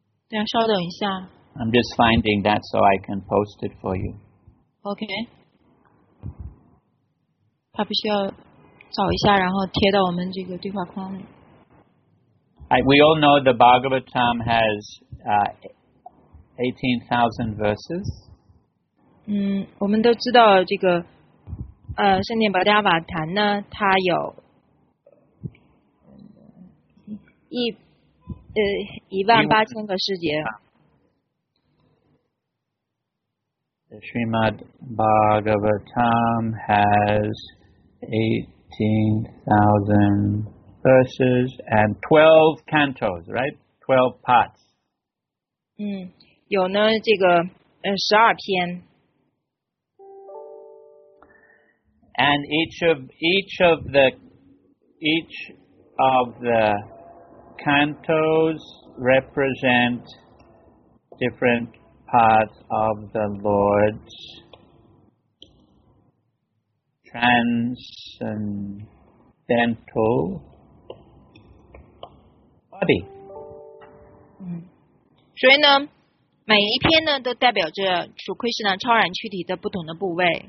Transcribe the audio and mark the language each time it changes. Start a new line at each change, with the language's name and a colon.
Chinese: Yeah, 稍等一下。
English: I'm just finding that so I can post it for you.
Chinese: Okay. 他不需要找一下，然后贴到我们这个对话框里。
English: We all know the Bhagavatam has 18,000 verses.
Chinese: 我们都知道这个圣殿宝加瓦坛呢，它有18,000个世界。
English: The Srimad Bhagavatam has 18,000 verses and 12 cantos, right? 12 parts.
Chinese: 有呢这个12篇。
English: And each of the cantos represent different parts of the Lord's transcendental body.
Chinese: 所以呢，每一篇呢都代表着属奎士那超然躯体的不同的部位。